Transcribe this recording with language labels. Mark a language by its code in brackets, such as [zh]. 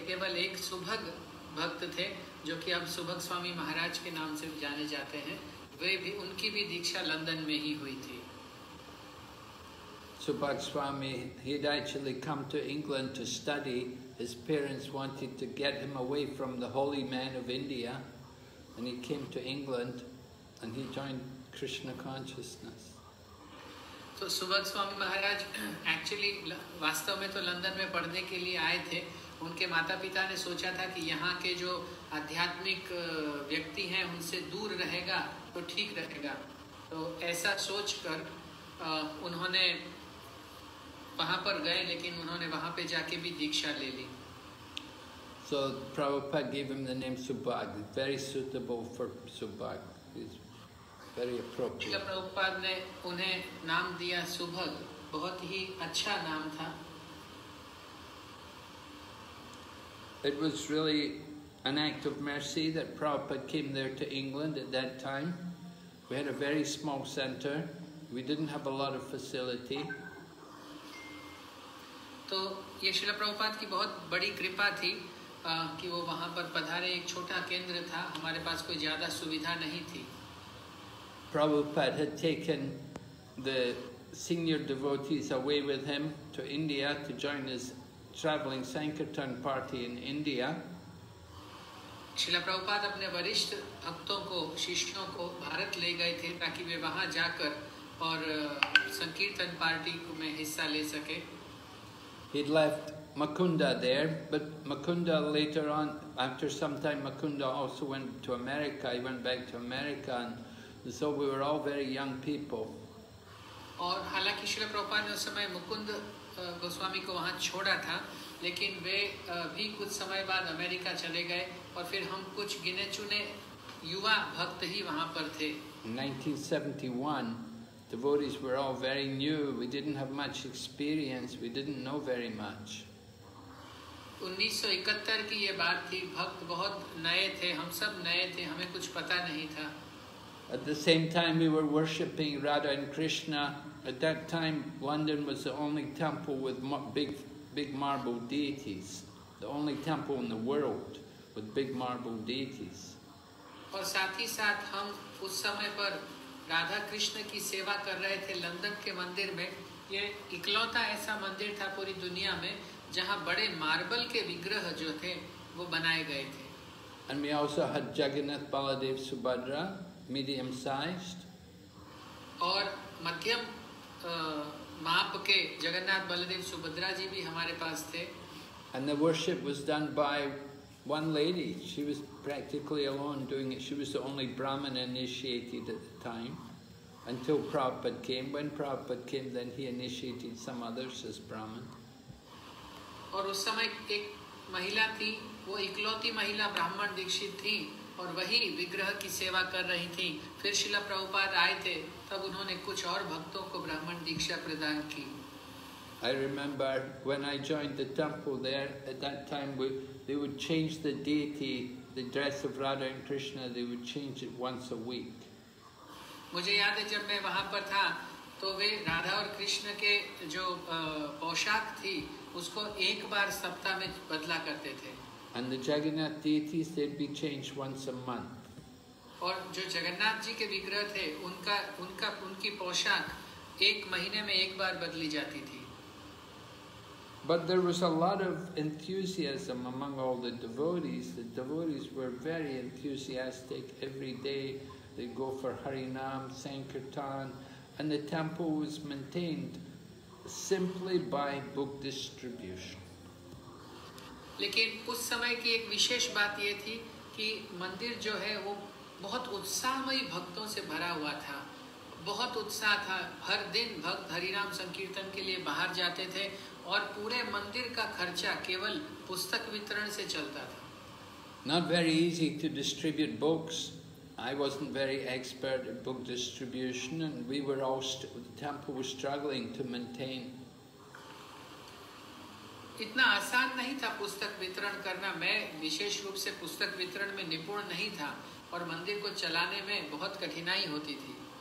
[hi] केवल एक सुभग भक्त थे, जो कि अब सुभग स्वामी महाराज के नाम से जाने जाते हैं. वे भी, उनकी भी दीक्षा लंदन में ही हुई थी. [en] Subhak Swami, he'd actually come to England to study. His parents wanted to get him away from the holy man of India, and he came to England and he joined Krishna consciousness. [hi] So Subhak Swami Maharaj actually vastav mein to London mein padhne ke liye aaye the. Unke mata pita ne socha tha ki yahan ke jo adhyatmik vyakti hain unse dur rahega to theek rahega. To aisa soch kar unhone वहाँ पर गए, लेकिन उन्होंने वहाँ पे जाके भी दीक्षा ले ली. [en] So Prabhupada gave him the name Subhag. Very suitable for Subhag. It's very appropriate. [hi] Srila Prabhupada ने उन्हें नाम दिया सुभग. बहुत ही अच्छा नाम था. [en] It was really an act of mercy that Prabhupada came there to England at that time. We had a very small center. We didn't have a lot of facility. [hi] तो ये श्रील प्रभुपाद की बहुत बड़ी कृपा थी कि वो वहाँ पर पधारे. एक छोटा केंद्र था, हमारे पास कोई ज़्यादा सुविधा नहीं थी. [en] Prabhupada had taken the senior devotees away with him to India to join his traveling Sankirtan party in India. [hi] Srila Prabhupada अपने वरिष्ठ भक्तों को, शिष्यों को भारत ले गए थे ताकि वे वहाँ जाकर और संकीर्तन पार्टी में हिस्सा ले सके. [en] He'd left Mukunda there, but Mukunda later on, after some time, Mukunda also went to America. He went back to America, and so we were all very young people. [hi] और हालांकि श्रील प्रभुपाद ने उस समय मुकुंद गोस्वामी को वहां छोड़ा था, लेकिन वे भी कुछ समय बाद अमेरिका चले गए, और फिर हम कुछ गिने चुने युवा भक्त ही वहां पर थे. [en] 1971. Devotees were all very new. We didn't have much experience. We didn't know very much. [hi] 1971 की ये बात थी. भक्त बहुत नए थे. हम सब नए थे. हमें कुछ पता नहीं था. [en] At the same time, we were worshipping Radha and Krishna. At that time, London was the only temple with big marble deities. The only temple in the world with big marble deities. [hi] और साथ ही साथ हम उस समय पर राधा कृष्ण की सेवा कर रहे थे लंदन के मंदिर में. ये इकलौता ऐसा मंदिर था पूरी दुनिया में जहाँ बड़े मार्बल के विग्रह जो थे वो बनाए गए थे. [en] And we also had Jagannath Baladev Subhadra, medium sized. [hi] और मध्यम माप के जगन्नाथ बलदेव सुभद्रा जी भी हमारे पास थे. [en] And the worship was done by one lady. She was practically alone doing it. She was the only Brahmin initiated at the time until Prabhupada came. When Prabhupada came, then he initiated some others as Brahmin. [hi] और उस समय एक महिला थी, वो इकलौती महिला ब्राह्मण दीक्षित थी और वही विग्रह की सेवा कर रही थी. फिर श्रील प्रभुपाद आए थे तब उन्होंने कुछ और भक्तों को ब्राह्मण दीक्षा प्रदान की. [en] I remember when I joined the temple there, at that time they would change the deity, the dress of Radha and Krishna, they would change it once a week. [hi] मुझे याद है जब मैं वहाँ पर था तो वे राधा और कृष्ण के जो पोशाक थी उसको एक बार सप्ताह में बदला करते थे. [en] And the Jagannath deities, they'd be changed once a month. [hi] और जो जगन्नाथ जी के विग्रह थे उनकी पोशाक एक महीने में एक बार बदली जाती थी. [en] But there was a lot of enthusiasm among all the devotees. The devotees were very enthusiastic. Every day they'd go for Harinam, Sankirtan, and the temple was maintained simply by book distribution. [hi] लेकिन उस समय की एक विशेष बात ये थी कि मंदिर जो है वो बहुत उत्साहमय भक्तों से भरा हुआ था. बहुत उत्साह था. हर दिन भक्त हरिनाम संकीर्तन के लिए बाहर जाते थे और पूरे मंदिर का खर्चा केवल पुस्तक वितरण से चलता था. [en] Not very easy to distribute books. I wasn't very expert at book distribution and we were all, the temple was struggling to maintain. [hi] इतना आसान नहीं था पुस्तक वितरण करना, मैं विशेष रूप से पुस्तक वितरण में निपुण नहीं था और मंदिर को चलाने में बहुत कठिनाई होती थी।